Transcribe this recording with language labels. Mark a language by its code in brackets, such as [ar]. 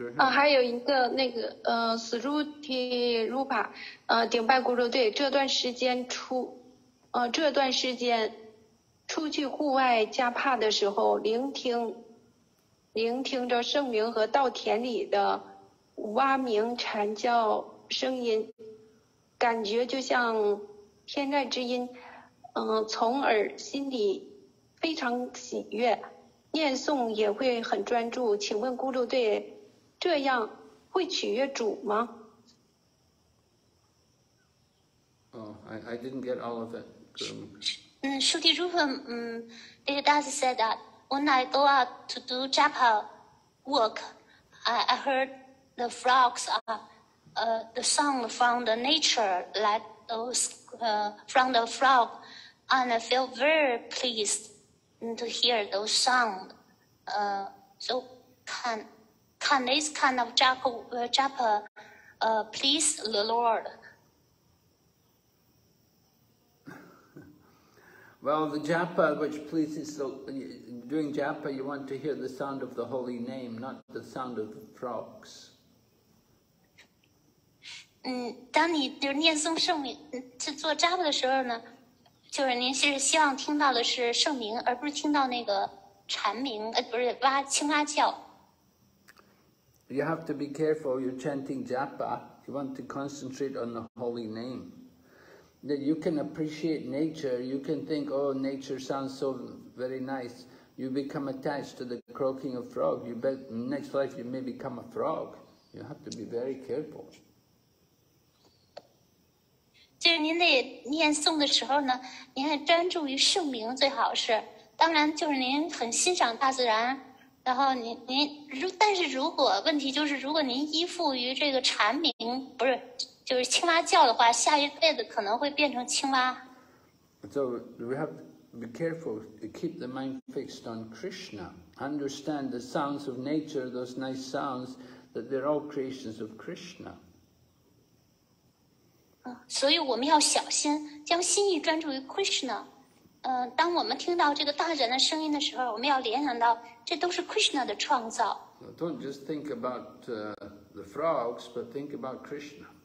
[zh] 还有一个那个Sruti Rupa， 顶拜咕噜队，这段时间出去户外加帕的时候，聆听着圣明和稻田里的蛙鸣蝉叫声音，感觉就像天籁之音，从而心里非常喜悦，念诵也会很专注，请问咕噜队，这样会取悦主吗？ [en] I didn't get all of it. Shruti Rupa, Deva Das said that when I go out to do japa work, I heard the frogs are the song from the nature, like those from the frog, and I feel very pleased to hear those sound. Can this kind of japa please the Lord? Well, the japa which pleases the, doing japa, you want to hear the sound of the holy name, not the sound of the frogs. [zh] 当你就是念诵圣名，去做japa的时候呢，就是您是希望听到的是圣名，而不是听到那个蝉鸣，不是蛙青蛙叫。 [en] You have to be careful, you're chanting japa, you want to concentrate on the holy name. That you can appreciate nature, you can think, oh, nature sounds so very nice. You become attached to the croaking of frog, you bet next life you may become a frog. You have to be very careful. [zh] 就是您得念诵的时候呢，您还专注于圣名最好是，当然就是您很欣赏大自然。然后但是如果问题就是，如果您依附于这个蝉鸣，不是就是青蛙叫的话，下一辈子可能会变成青蛙。 [en] So we have to be careful to keep the mind fixed on Krishna. Understand the sounds of nature, those nice sounds, that they're all creations of Krishna. [zh] 所以我们要小心，将心意专注于 Krishna。当我们听到这个大自然的声音的时候，我们要联想到这都是 Krishna 的创造。 [en] Don't just think about the frogs, but think about Krishna.